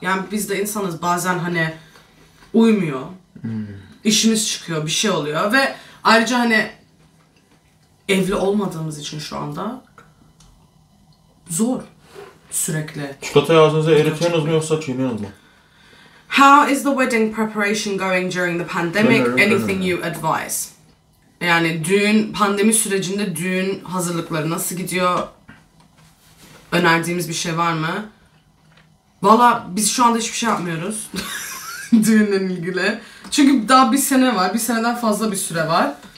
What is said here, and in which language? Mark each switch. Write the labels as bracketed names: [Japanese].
[Turkish] Yani biz de insanız, bazen hani uymuyor. İşimiz çıkıyor, bir şey oluyor. Ve ayrıca hani evli olmadığımız için şu anda zor sürekli. Çikolatayı ağzınıza eritiyorsunuz mu yoksa çiğniyorsunuz mu? [English] How is the wedding preparation going during the pandemic? Anything you advise? [Turkish] Yani düğün, pandemi sürecinde düğün hazırlıkları nasıl gidiyor? Önerdiğimiz bir şey var mı? Valla biz şu anda hiçbir şey yapmıyoruz. Düğünle ilgili. Çünkü daha bir sene var. Bir seneden fazla bir süre var.